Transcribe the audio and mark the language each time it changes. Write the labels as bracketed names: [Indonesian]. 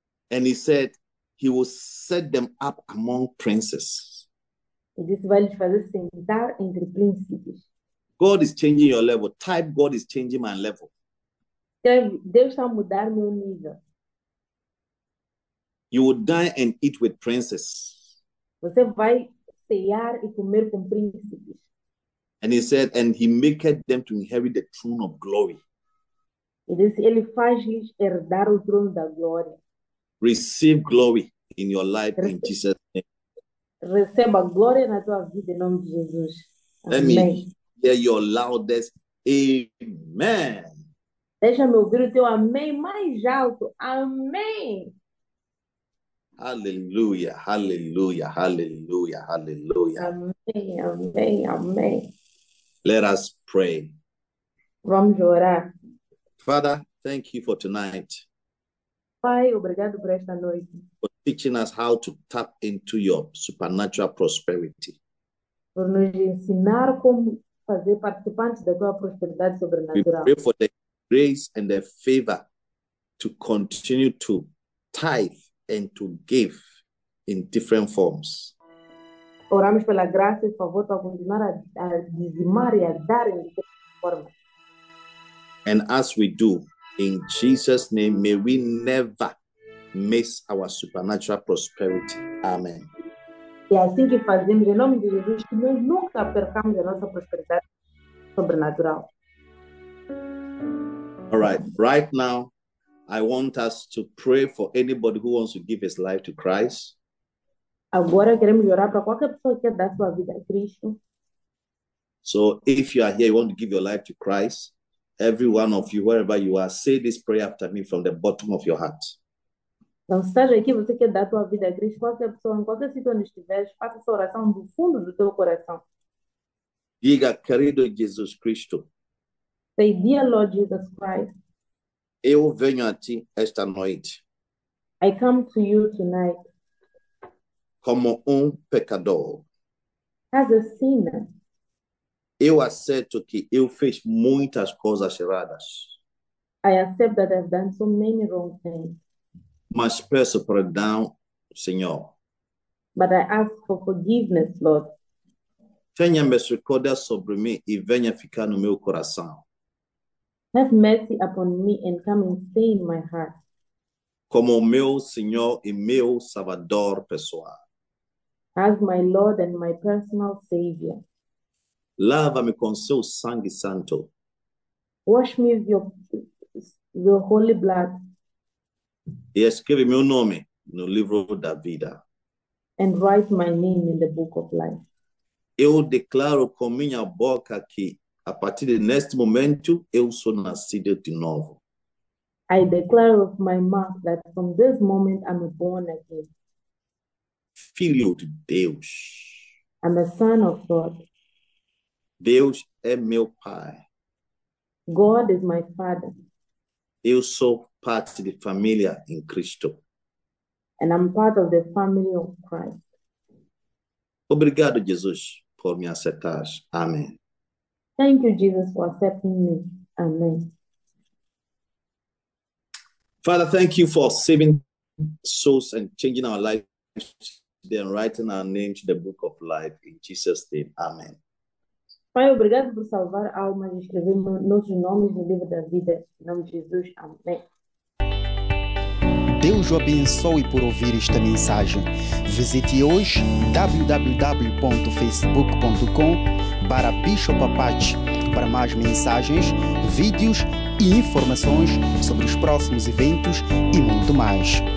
[English] And he said, he will set them up among princes. [Portuguese] Ele disse, vai lhes fazer sentar entre príncipes. [English] God is changing your level. Type, God is changing my level. [Portuguese] Deus está a mudar meu nível. [English] You will dine and eat with princes. [Portuguese] Você vai cear e comer com príncipes. [English] And he said, and he maketh them to inherit the throne of glory. [Portuguese] Ele faz-lhes herdar o trono da glória. [English] Receive glory in your life in Jesus' name. [Portuguese] Receba glória na tua vida em nome de Jesus. [English] Let me [Portuguese] Amém. [English] hear your loudest amen. [Portuguese] Deixa-me ouvir o teu amém mais alto. Amém. [English] Hallelujah, hallelujah, hallelujah, hallelujah. [Portuguese] Amém, amém, amém. [English] Let us pray. [Portuguese] Vamos orar. [English] Father, thank you for tonight, [Portuguese] Pai, obrigado por esta noite. [English] for teaching us how to tap into your supernatural prosperity. [Portuguese] Por nos ensinar como fazer participantes da tua prosperidade [English] We [Portuguese] sobrenatural. [English] pray for the grace and the favor to continue to tithe and to give in different forms. [Portuguese] Oramos pela graça e favor para continuar a dizimar e a dar em forma. [English] And as we do, in Jesus' name, may we never miss our supernatural prosperity. Amen. [Portuguese] E assim que fazemos, em nome de Jesus, que nós nunca percamos a nossa prosperidade sobrenatural. [English] Right now, I want us to pray for anybody who wants to give his life to Christ. [Portuguese] Agora queremos orar para qualquer pessoa que quer dar sua vida a Cristo. [English] So, if you are here, you want to give your life to Christ, every one of you, wherever you are, say this prayer after me from the bottom of your heart. [Portuguese] Então, se estás aqui, você quer dar a tua vida a Cristo, qualquer pessoa, em qualquer sítio onde estiveres, faça essa oração do fundo do teu coração. Diga, querido Jesus Cristo. [English] Say, dear Lord Jesus Christ, [Portuguese] Eu venho a ti esta noite [English] I come to you tonight [Portuguese] como pecador. [English] as a sinner. [Portuguese] Eu aceito que eu fiz muitas coisas erradas, [English] I accept that I've done so many wrong things. [Portuguese] mas peço perdão, Senhor. [English] But I ask for forgiveness, Lord. [Portuguese] Tenha misericórdia sobre mim e venha ficar no meu coração. [English] Have mercy upon me and come and stay in my heart. [Portuguese] como meu Senhor e meu Salvador pessoal. [English] As my Lord and my personal Savior. [Portuguese] Lava-me com seu sangue santo. [English] Wash me with your holy blood. [Portuguese] E escreve meu nome no livro da vida. [English] And write my name in the book of life. [Portuguese] Eu declaro com minha boca que, a partir deste momento, eu sou nascido de novo. [English] I declare with my mouth that from this moment I'm born again. [Portuguese] Filho de Deus. [English] I'm a son of God. [Portuguese] Deus é meu Pai. [English] God is my father. [Portuguese] Eu sou parte de família em Cristo. [English] And I'm part of the family of Christ. [Portuguese] Obrigado, Jesus, por me aceitar. Amém. [English] Thank you, Jesus, for accepting me. Amen. Father, thank you for saving souls and changing our lives today and writing our names in the book of life. In Jesus' name, amen. [Portuguese] Pai, obrigado por salvar almas e escrever nossos nomes no livro da vida. Em nome de Jesus, amém. Deus o abençoe por ouvir esta mensagem. Visite hoje www.facebook.com/bishopapati para mais mensagens, vídeos e informações sobre os próximos eventos e muito mais.